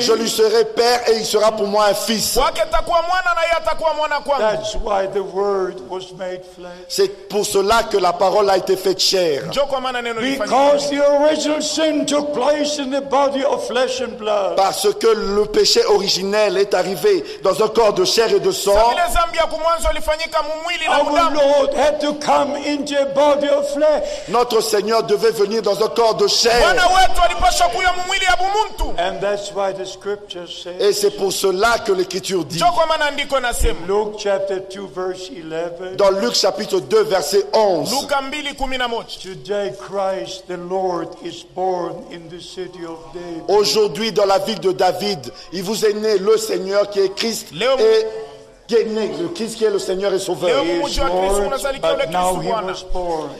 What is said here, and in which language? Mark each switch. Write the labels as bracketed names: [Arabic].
[French] Je lui serai père et il sera pour moi un fils. [English] That's why the word was made flesh. [French] C'est pour cela que la parole a été faite chair. [English] Because the original sin took place in the body of flesh and blood. [French] Parce que le péché originel est arrivé dans un corps de chair et de sang. [English] Our Lord had to come into a body of flesh. [French] Notre Seigneur devait venir dans un corps de chair. [English] And that's why the scripture says. [French] Et c'est pour cela que l'écriture. [English] In Luke chapter 2 verse 11. [French] Dans Luc chapitre 2 verset 11. Luca 2:11. [English] Today Christ the Lord is born in the city of David. [French] Aujourd'hui dans la ville de David, il vous est né le Seigneur qui est Christ et qui est né, le Christ qui est le Seigneur et Sauveur. [English] He is Lord, but now he was born.